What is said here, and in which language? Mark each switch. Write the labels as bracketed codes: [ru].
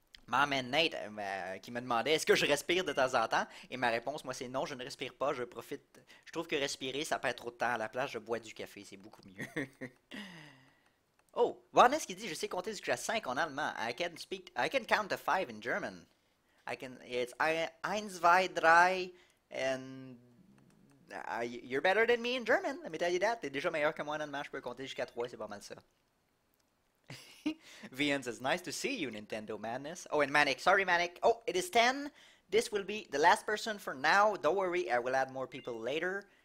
[fr] Ma man Nate qui me demandait est-ce que je respire de temps en temps et ma réponse moi c'est non je ne respire pas je profite je trouve que respirer ça perd trop de temps à la place je bois du café c'est beaucoup mieux. Oh, Vanessa qui dit je sais compter jusqu'à 5 en allemand. [en] I can count to 5 in German. It's [de] eins zwei drei [en] and you're better than me in German. Let me tell you that. [fr] T'es déjà meilleur que moi en allemand, je peux compter jusqu'à 3, c'est pas mal ça. [en] VN says, nice to see you, Nintendo Madness. Oh, and Manic. Sorry, Manic. Oh, it is 10. This will be the last person for now. Don't worry, I will add more people later.